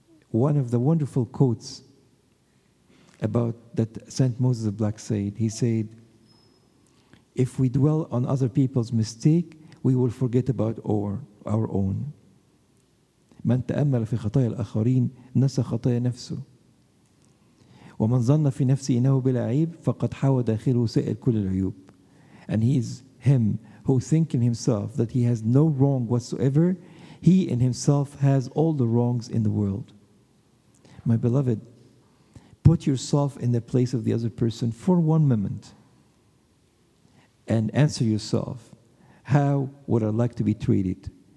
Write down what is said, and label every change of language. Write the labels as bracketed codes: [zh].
[en] One of the wonderful quotes about that St. Moses of Black said, he said, if we dwell on other people's mistake, we will forget about our own. [ar] من تأمل في خطايا الآخرين نسى خطايا نفسه. ومن ظن في نفسه إنه بلا عيب فقد حاوى داخله سائر كل العيوب. [en] And he is him who thinks in himself that he has no wrong whatsoever. He in himself has all the wrongs in the world. My beloved, put yourself in the place of the other person for 1 moment and answer yourself, how would I like to be treated?